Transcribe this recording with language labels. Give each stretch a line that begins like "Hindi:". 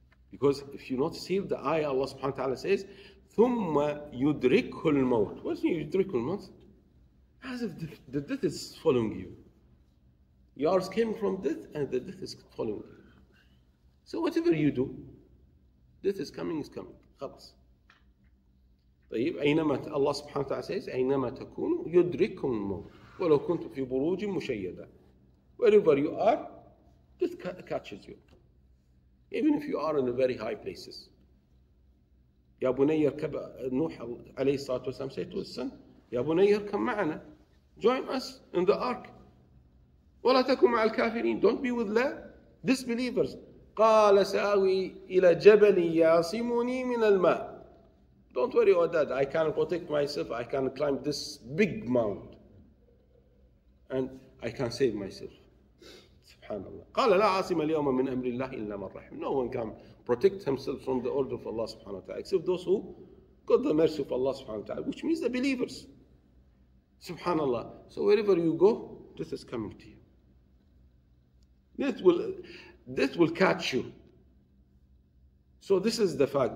English: Because if you notice here, the ayah Allah subhanahu wa ta'ala says,
Arabic: ثُمَّ يُدْرِكُ الْمَوْتِ.
English: What does
Arabic: يُدْرِكُ الْمَوْتِ?
English: As if the death is following you. Yours came from death, and the death is following you. So whatever you do, death is coming, is coming.
Arabic: خلاص. طيب, أينما الله سبحانه وتعالى
English: says,
Arabic: أينما تكونوا يدرككم الموت. ولو كنت في بروج مشيدة.
English: Wherever you are, death catches you. Even if you are in the very high places.
Arabic: يا بني اركب, نوح عليه الصلاة والسلام
English: said to his son,
Arabic: يا بني اركب معنا.
English: Join us in the ark.
Arabic: ولا تكن مع الكافرين.
English: Don't be with the disbelievers.
Arabic: قال سآوي إلى جبل يعصمني من الماء.
English: Don't worry about that. I can protect myself. I can climb this big mountain. And I can save myself. Subhanallah.
Arabic: قال لا عاصم اليوم من أمر الله إلا من رحم.
English: No one can protect himself from the order of Allah subhanahu wa ta'ala except those who got the mercy of Allah subhanahu wa ta'ala, which means the believers. Subhanallah. So wherever you go, death is coming to you. Death will catch you. So this is the fact.